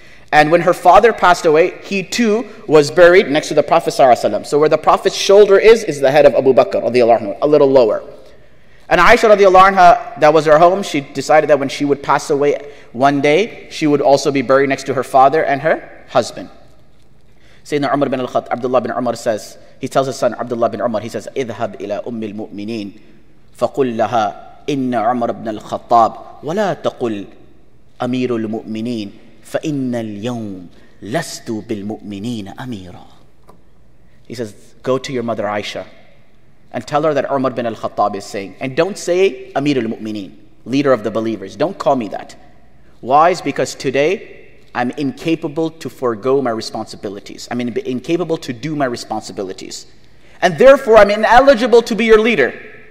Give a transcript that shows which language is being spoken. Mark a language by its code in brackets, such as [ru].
[en] And when her father passed away, he too was buried next to the Prophet sallallahu alaihi wasallam. So where the Prophet's shoulder is the head of Abu Bakr radiallahu anhu, a little lower. And Aisha radiallahu anha, that was her home. She decided that when she would pass away one day, she would also be buried next to her father and her husband. Sayyidina Umar bin al-Khattab, Abdullah bin Umar says, he tells his son Abdullah bin Umar, he says, [ar] اذهب إلى أم المؤمنين فقل لها إن عمر بن الخطاب ولا تقل أمير المؤمنين فإن اليوم لست بالمؤمنين أميرا. [en] He says, go to your mother Aisha and tell her that Umar bin al-Khattab is saying, and don't say Amir al-Mu'mineen, leader of the believers. Don't call me that. Why? It's because today, I'm incapable to forego my responsibilities. I'm incapable to do my responsibilities. And therefore, I'm ineligible to be your leader.